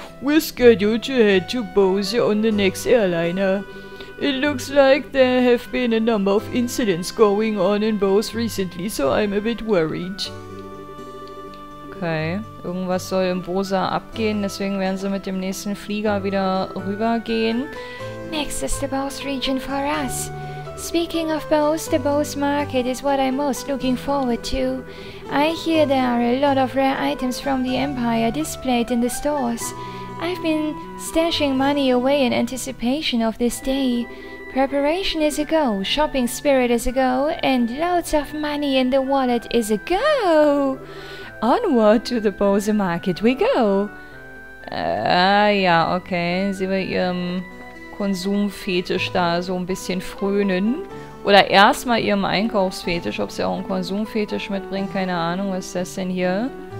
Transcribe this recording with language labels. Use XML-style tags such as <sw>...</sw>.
<en>We're scheduled to head to Bowser on the next airliner. It looks like there have been a number of incidents going on in Bowser recently, so I'm a bit worried.</en> <de>Okay, irgendwas soll im Bowser abgehen, deswegen werden sie mit dem nächsten Flieger wieder rübergehen.</de> <en>Next is the Bowser region for us. Speaking of Bose, the Bose market is what I'm most looking forward to. I hear there are a lot of rare items from the Empire displayed in the stores. I've been stashing money away in anticipation of this day. Preparation is a go, shopping spirit is a go, and loads of money in the wallet is a go! Onward to the Bose market we go!</en> <de>Ja, okay, sie will ihrem Konsumfetisch da so ein bisschen frönen. Oder erstmal ihrem Einkaufsfetisch, ob sie auch einen Konsumfetisch mitbringt, keine Ahnung, was ist das denn hier?</de>